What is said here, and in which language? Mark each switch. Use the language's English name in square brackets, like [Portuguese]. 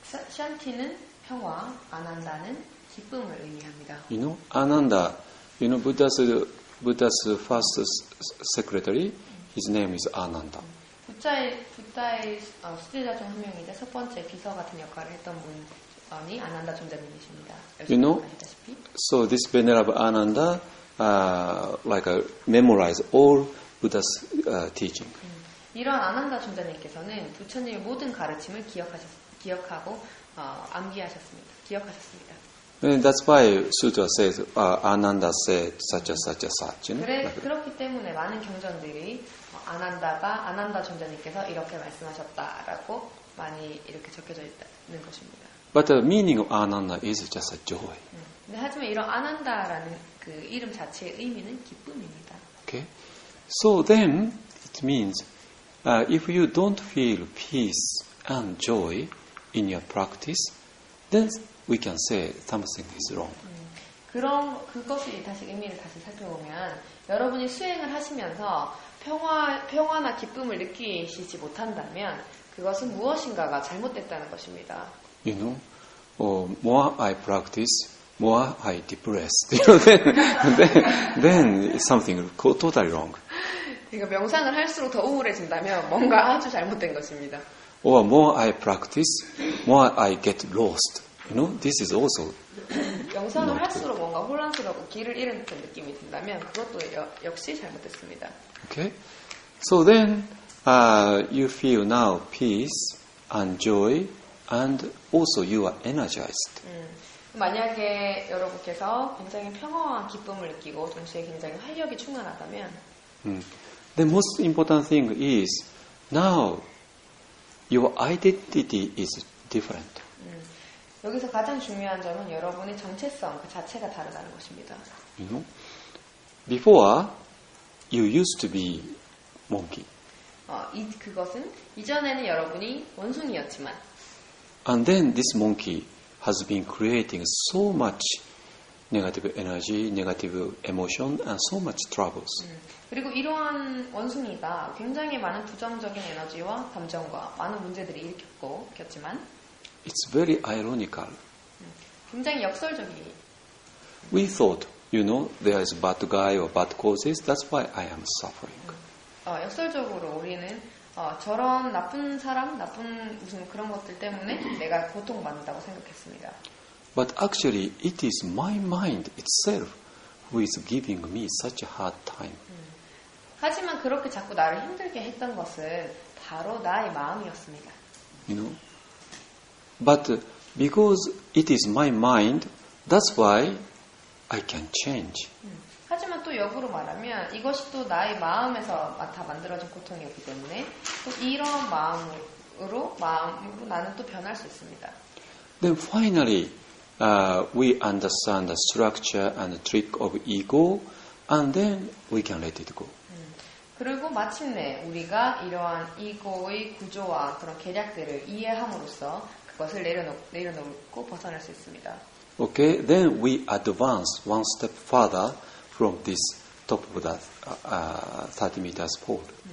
[Korean] 샨티는 평화, 아난다는 기쁨을 의미합니다. [English] You know Ananda, you know Buddha's first secretary, his name is Ananda. [Korean] 부처의 수제자 중 한 명이자 첫 번째 비서 같은 역할을 했던 분. 아니, [English] you know, so this Venerable Ananda like memorize all Buddha's teaching. [Korean] 이런 아난다 존자님께서는 부처님의 모든 가르침을 기억하고 암기하셨습니다. 기억하셨습니다. [English] And that's why Sutra says Ananda said such a such a such. [Korean] 그래, 그렇기 때문에 많은 경전들이 아난다가 아난다 존자님께서 이렇게 말씀하셨다라고 많이 이렇게 적혀져 있는 것입니다. [English] But the meaning of Ananda is just a joy. [Korean] 네, 하지만 이런 아난다라는 그 이름 자체의 의미는 기쁨입니다. [English] Okay. So then it means if you don't feel peace and joy in your practice, then we can say something is wrong. [Korean] 그럼 그것이 다시 의미를 다시 살펴보면 여러분이 수행을 하시면서 평화나 기쁨을 느끼시지 못한다면 그것은 무엇인가가 잘못됐다는 것입니다. [English] You know, more I practice, more I depressed. You know, then something totally wrong. [Korean] 그러니까 명상을 할수록 더 우울해진다면 뭔가 아주 잘못된 것입니다. [English] Or more I practice, more I get lost. You know, this is also. [Korean] 명상을 할수록 뭔가 혼란스럽고 길을 잃은 듯한 느낌이 든다면 그것도 역시 잘못됐습니다. [English] Okay. So then, you feel now peace and joy. And also, you are energized. [Korean] 만약에 여러분께서 굉장히 평화와 기쁨을 느끼고 동시에 굉장히 활력이 충만하다면, [English] The most important thing is now your identity is different. [Korean] 여기서 가장 중요한 점은 여러분의 정체성 그 자체가 다르다는 것입니다. [English] You know, before you used to be monkey. [Korean] 그것은 이전에는 여러분이 원숭이였지만. [English] And then this monkey has been creating so much negative energy, negative emotion, and so much troubles. [Korean] 그리고 이러한 원숭이가 굉장히 많은 부정적인 에너지와 감정과 많은 문제들을 일으켰고, 겪지만, [English] It's very ironical. [Korean] 굉장히 역설적이. [English] We thought, you know, there is a bad guy or bad causes, that's why I am suffering. [Korean] 역설적으로 우리는 저런 나쁜 사람, 나쁜 무슨 그런 것들 때문에 내가 고통받는다고 생각했습니다. [English] But actually, it is my mind itself who is giving me such a hard time. [Korean] 하지만 그렇게 자꾸 나를 힘들게 했던 것은 바로 나의 마음이었습니다. [English] You know? But because it is my mind, that's why I can change. [Korean] 하지만 또 역으로 말하면 이것이 또 나의 마음에서 맡아 만들어진 고통이었기 때문에 또 이런 마음으로 나는 또 변할 수 있습니다. [English] Then finally, we understand the structure and the trick of ego, and then we can let it go. [Korean] 그리고 마침내 우리가 이러한 이고의 구조와 그런 계략들을 이해함으로써 그것을 내려놓고 벗어날 수 있습니다. [English] Okay, then we advance one step further. From this top of that 30 meters pole.